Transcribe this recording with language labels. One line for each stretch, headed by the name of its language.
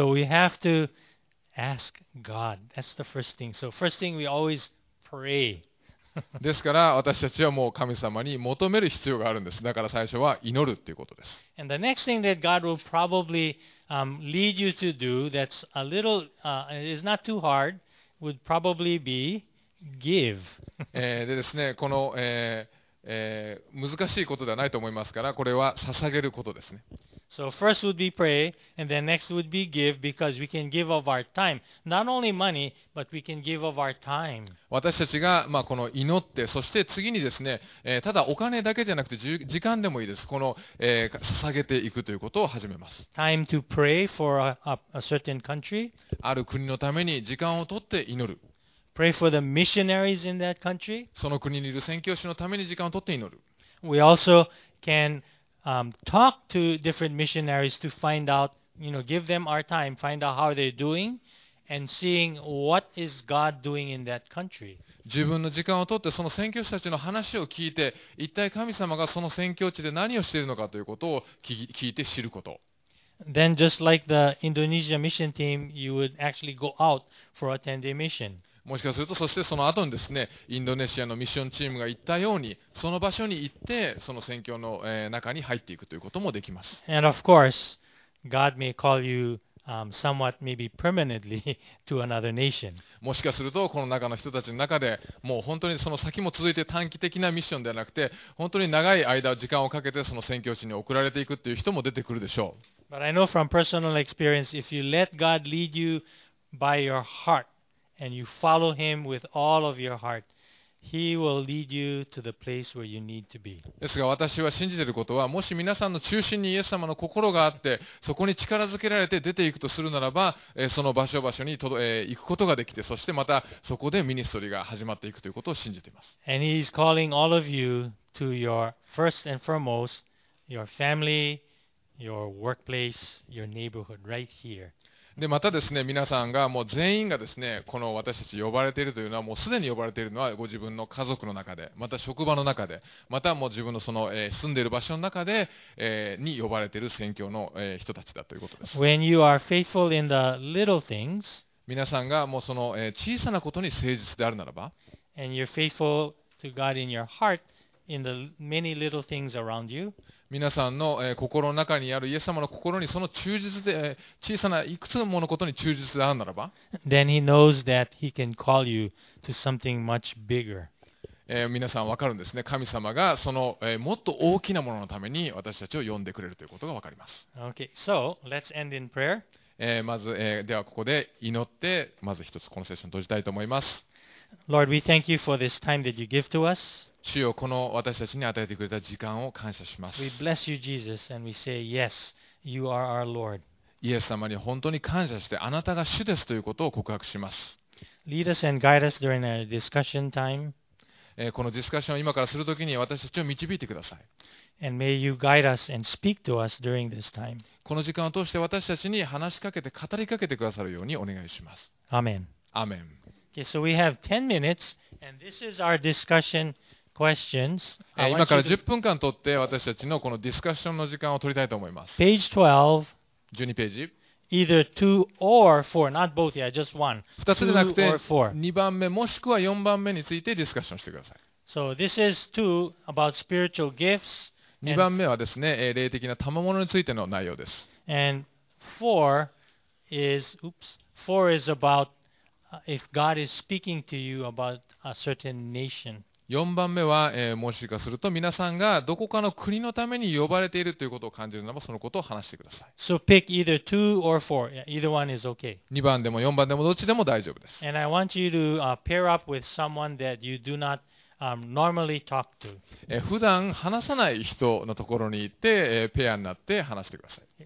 English: So we have to ask God. That's the first thing. So first thing we always pray.
Japanese: ですから私たちはもう神様に求める必要があるんです。だから最初は祈るっていうことです。
English: And the next thing that God will probably lead you to do that's a little is not too hard would probably be give.
Japanese: でですね、この難しいことではないと思いますから、これは捧げることですね。
English: So first would be pray, and then next would be give, because we can give of our time. Not only money, but we can give of our time.
Japanese: 私たちが、まあ、この祈って、そして次にですね、ただお金だけじゃなくて時間でもいいです。この、捧げていくということを始めます。
English: Time to pray for a certain country.
Japanese: ある国のために時間を取って祈る。
English: Pray for the missionaries in that country.
Japanese: その国にいる宣教師のために時間を取って祈る。
English: We also can talk to different missionaries to find out, you know, give them our time, find out how they're doing, and seeing what is God doing in that country.
Japanese: 自分の時間を取ってその宣教師たちの話を聞いて、一体神様がその宣教地で何をしているのかということを聞いて知ること。
English: Then just like the Indonesia mission team, you would actually go out for a 10-day mission.
Japanese: もしかすると、そしてその後にですね、インドネシアのミッションチームが行ったように、その場所に行って、その宣教の中に入っていくということもできます。
English: And of course, God may call you, somewhat maybe permanently to another nation.
Japanese: もしかすると、この中の人たちの中でもう本当にその先も続いて短期的なミッションではなくて、本当に長い間、時間をかけてその宣教地に送られていくという人も出てくるでしょう。
English: But I know from personal experience, if you let God lead you by your heart, and you follow him with all of your heart, He will lead you to the place where you need to be.
Japanese: ですが私は信じていることは、もし皆さんの中心にイエス様の心があって、そこに力づけられて出ていくとするならば、その場所場所に行くことができて、そしてまたそこでミニストリーが始まっていくということを信じています。
English: And he is calling all of you to your first and foremost, your family, your workplace, your neighborhood, right here.
Japanese: でまたですね、皆さんがもう全員がですね、この私たち呼ばれているというのは、もうすでに呼ばれているのはご自分の家族の中で、また職場の中で、またもう自分のその住んでいる場所の中で、に呼ばれている宣教の人たちだということです。
English: When you are faithful in the little things,
Japanese: 皆さんがもうその小さなことに誠実であるならば、
English: And you're faithful to God in your heart in the many little things around you.
Japanese: 皆さんの心の中にあるイエス様の心にその忠実で小さないくつものことに忠実であるならば、
English: Then he knows that he can call you to something much bigger.
Japanese: 皆さん分かるんですね。神様がそのもっと大きなもののために私たちを呼んでくれるということが分かります。
English: Okay, so let's end in prayer.
Japanese: まず、ではここで祈って、まず一つこのセッション閉じたいと思います。
English: Lord, we thank you for this time that you give to us.
Japanese: 主よ、この私たちに与えてくれた時間を感謝します。
English: We bless you, Jesus, and we say, yes, you are our Lord.
Japanese: イエス様に本当に感謝して、あなたが主ですということを告白します。
English: Lead us and guide us during our discussion time.
Japanese: このディスカッションを今からするときに私たちを導いてください。
English: And may you guide us and speak to us during this time.
Japanese: この時間を通して私たちに話しかけて、語りかけてくださるようにお願いします。
English: Amen. Amen. Okay, so we have 10 minutes, and this is our discussion. Questions.
Japanese: 今から10分間取って私たちのこのディスカッションの時間を取りたいと思います。
English: Page 12.
Japanese: 12ページ。
English: Either 2 or 4, not both, yeah, just 1.
Japanese: 2つでなくて、2番目もしくは4番目についてディスカッションしてください。
English: So this is 2 about spiritual gifts.
Japanese: 2番目はですね、霊的な賜物についての内容です。
English: And 4 is about if God is speaking to you about a certain nation.
Japanese: 4番目は、もしかすると皆さんがどこかの国のために呼ばれているということを感じるならば、そのことを話してください。
English: So pick either 2 or 4. Yeah, either one is okay.
Japanese: 2番でも4番でもどっちでも大丈夫です。
English: And I want you to pair up with someone that you do not normally talk to.
Japanese: 普段話さない人のところに行って、ペアになって話してください。